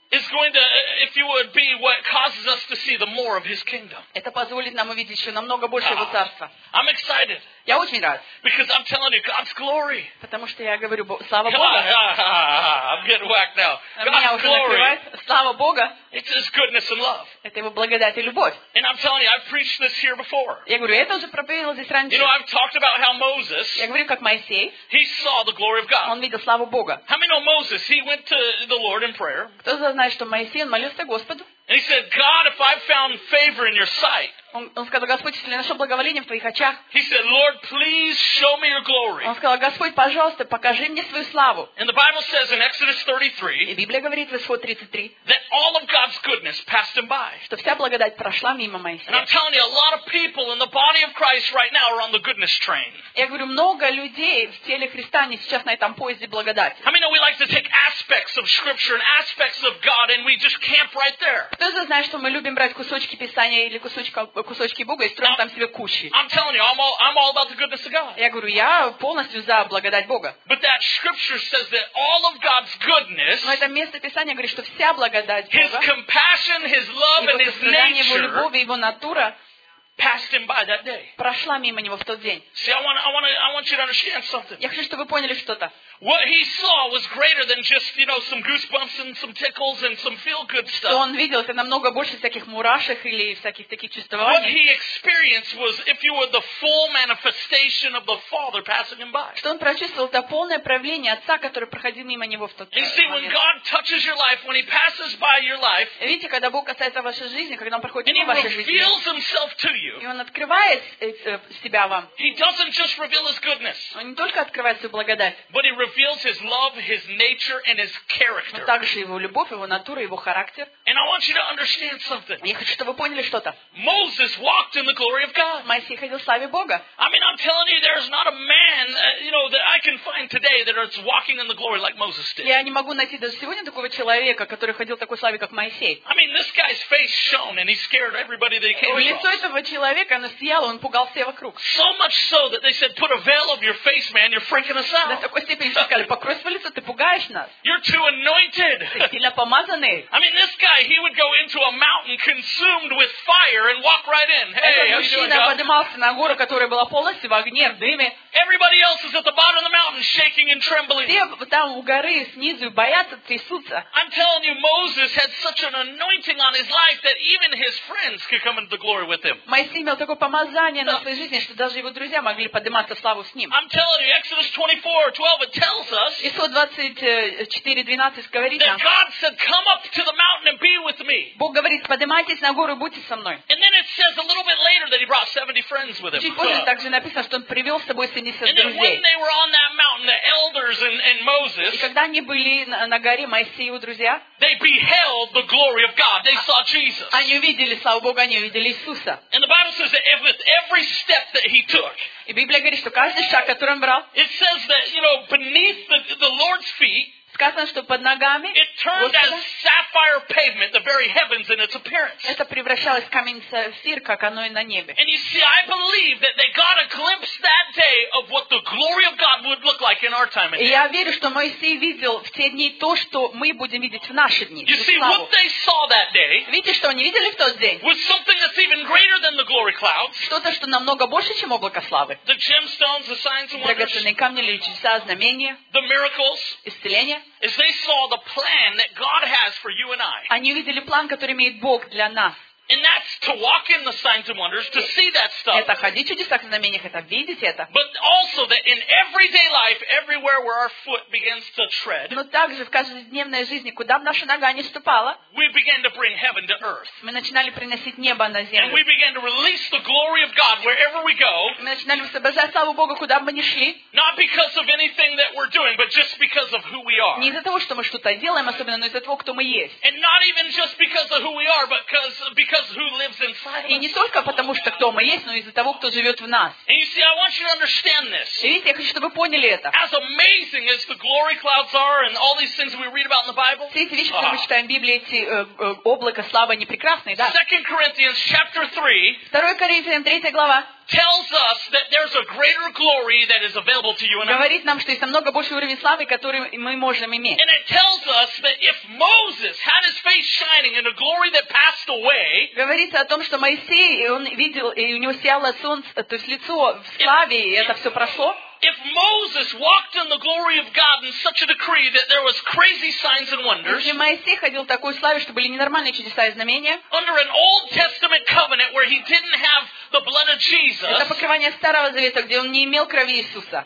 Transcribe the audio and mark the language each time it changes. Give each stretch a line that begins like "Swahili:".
English: Is going to, if you would, be what causes us to see the more of His kingdom.
Russian: Это позволит нам увидеть еще намного больше Его царства.
English: I'm excited.
Russian: Я очень рад.
English: Because I'm telling you, God's glory.
Russian: Потому что я говорю, слава Богу.
English: I'm getting whacked now. God's glory.
Russian: Слава Богу.
English: It's His goodness and love.
Russian: Это Его благодать и любовь.
English: And I'm telling you, I've preached this here before.
Russian: Я говорю, это уже проповедовал здесь раньше.
English: You know, I've talked about how Moses.
Russian: Я говорю, как Моисей.
English: He saw the glory of God.
Russian: Он видел славу Бога.
English: How many know Moses? He went to the Lord in prayer.
Russian: Кто знает? Что Моисей, он молился Господу.
English: And he said, God, if I've found favor in your sight.
Russian: Он сказал, Господь, если я нашел благоволение в твоих очах.
English: He said, Lord, please show me your glory.
Russian: Он сказал, Господь, пожалуйста, покажи мне свою славу.
English: And the Bible says in Exodus 33.
Russian: И Библия говорит в Исход 33.
English: That all of God's goodness passed him by.
Russian: Что вся благодать прошла мимо Моисея.
English: And I'm telling you, a lot of people in the body of Christ right now are on the goodness train.
Russian: Я говорю, много людей в теле Христа они сейчас на этом поезде благодати.
English: How many know we like to take aspects of Scripture and aspects of God and we just camp right there?
Russian: Кто же знает, что мы любим брать кусочки Писания или кусочки Бога и строим
English: Now,
Russian: там себе кучи?
English: I'm telling you, I'm all about the goodness of God.
Russian: Я говорю, я полностью за благодать Бога.
English: But that scripture says that all of God's goodness,
Russian: но это место Писания говорит, что вся благодать Бога,
English: His compassion, His love, and His nature,
Russian: Его любовь и Его натура,
English: passed him by that day.
Russian: Прошла мимо него в тот день.
English: See, I want you to understand something.
Russian: Я хочу, чтобы вы поняли что-то.
English: What he saw was greater than just, you know, some goosebumps and some tickles and some feel-good stuff.
Russian: Что он видел, это намного больше всяких мурашек или всяких таких чувствований.
English: What he experienced was, if you were the full manifestation of the Father passing him by.
Russian: Что он прочувствовал, это полное проявление Отца, который проходил мимо него в тот день.
English: You see, when God touches your life, when He passes by your life,
Russian: видите, когда Бог касается вашей жизни, когда Он проходит мимо вашей жизни,
English: and He reveals Himself to you.
Russian: И Он открывает себя вам.
English: He doesn't just reveal His goodness.
Russian: Он не только открывает свою благодать,
English: but reveals His love, His nature, and His character.
Russian: Но также Его любовь, Его натура, Его характер.
English: And I want you to understand something.
Russian: Я хочу, чтобы вы поняли что-то.
English: Moses walked in the glory of God.
Russian: Моисей ходил в славе Бога.
English: I mean, I'm telling you, there's not a man, you know, that I can find today that is walking in the glory like Moses did.
Russian: Я не могу найти даже сегодня такого человека, который ходил в такой славе, как Моисей.
English: I mean, this guy's face shone, and he scared everybody that he came across.
Russian: Лицо этого человека, оно сияло, он пугал все вокруг.
English: So much so that they said, put a veil over your face, man, you're freaking us out.
Russian: До такой степени сказали, покрой свое лицо, ты пугаешь нас.
English: You're too anointed.
Russian: Ты сильно помазанный.
English: I mean, this guy, he would go into a mountain consumed with fire and walk right in. Hey,
Russian: этот мужчина поднимался на гору, которая была полностью в огне, в дыме.
English: Everybody else is at the bottom of the mountain, shaking and trembling.
Russian: Все там у горы снизу боятся, трясутся.
English: I'm telling you, Moses had such an anointing on his life that even his friends could come into the glory with him.
Russian: Моисей имел такое помазание на своей жизни, что даже его друзья могли подниматься в славу с ним.
English: I'm telling you, Exodus 24:12 tells us.
Russian: Исход 24:12 говорит нам.
English: That God said, "Come up to the mountain and be with me."
Russian: Бог говорит, поднимайтесь на гору и будьте со мной.
English: And then it says a little bit later that He brought 70 friends with Him.
Russian: Чуть позже также написано, что Он привел с собой
English: And then when they were on that mountain, the elders and Moses,
Russian: и когда они были на горе, Моисей и его друзья,
English: they they beheld the glory of God. They saw Jesus.
Russian: Они увидели славу Бога, они увидели Иисуса.
English: And the Bible says that with every step that he took.
Russian: И Библия говорит, что каждый шаг, который он брал.
English: It says that, you know, beneath the Lord's feet.
Russian: Сказано, что под ногами.
English: It turned as sapphire pavement, the very heavens in its appearance.
Russian: Это превращалось в камень сапфир, как оно и на небе.
English: And you see, I believe that they got a glimpse that day of what the glory of God would look like in our time and age.
Russian: Я верю, что Моисей видел в те дни то, что мы будем видеть в наши дни.
English: You see what they saw that day?
Russian: Видите, что они видели в тот день?
English: Was something that's even greater than the glory clouds?
Russian: Что-то, что намного больше, чем облако славы.
English: The gemstones, the signs and wonders.
Russian: Драгоценные камни, чудеса, знамения.
English: The miracles.
Russian: Исцеления.
English: As they saw the plan that God has for you and I.
Russian: Они увидели план, который имеет Бог для нас.
English: And that's to walk in the signs and wonders, to see that stuff.
Russian: Это ходить в чудесах и знамениях, это видеть это.
English: But also that in everyday life, everywhere where our foot begins to tread.
Russian: Но также в каждодневной жизни, куда бы наша нога ни ступала.
English: We began to bring heaven to earth.
Russian: Мы начинали приносить небо на землю.
English: And we began to release the glory of God wherever we go.
Russian: Мы начинали высвобождать славу Бога, куда бы мы ни шли.
English: Not because of anything that we're doing, but just because of who we are.
Russian: Не из-за того, что мы что-то делаем, особенно, но из-за того, кто мы есть.
English: And not even just because of who we are, but because who lives inside of us.
Russian: И не только потому, что кто мы есть, но из-за того, кто живет в нас.
English: And you see, I want you to understand this.
Russian: И видите, я хочу, чтобы вы поняли это.
English: As amazing as the glory clouds are and all these things we read about in the Bible.
Russian: Все эти вещи, что мы читаем в Библии, эти облака славы, они прекрасные, да?
English: 2 Corinthians chapter 3.
Russian: 2 Коринфянам 3 глава.
English: Tells us that there's a greater glory that is available to you and I.
Russian: Говорит нам, что есть намного больше уровень славы, который мы можем иметь.
English: And it tells us that if Moses had his face shining in a glory that passed away.
Russian: Говорится о том, что Моисей, он видел, и у него сияло солнце, то есть лицо в славе, и это все прошло.
English: If Moses walked in the glory of God in such a degree that there was crazy signs and wonders,
Russian: если Моисей ходил в такой славе, что были ненормальные чудеса и знамения,
English: under an Old Testament covenant where he didn't have the blood of Jesus,
Russian: это покрывание Старого Завета, где он не имел крови Иисуса,